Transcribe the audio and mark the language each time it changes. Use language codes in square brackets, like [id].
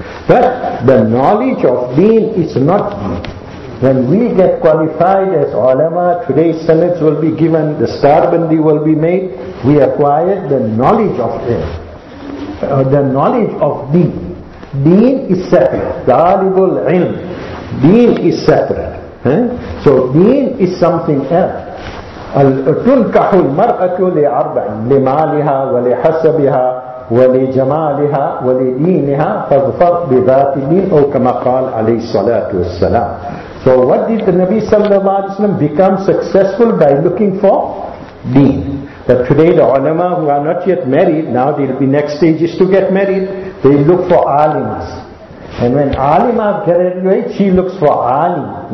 [en] But the knowledge of deen is not deen. When we get qualified as ulama, today's sanads will be given, the starbandi will be made, we acquire the knowledge of ilm. The knowledge of deen. Deen is separate. Talibul ilm. Deen is separate. Eh? So deen is something else. [ar] تنكح المرأة لأربع لمالها ولحسبها ولجمالها ولدينها فاظفر بذات الدين أو كما قال عليه الصلاة والسلام. [en] So what did the Nabi sallallahu alayhi wa sallam become successful by looking for? Deen. But today the ulama who are not yet married, now they'll be next stage is to get married, they look for alimas. And when alima graduates, she looks for alim.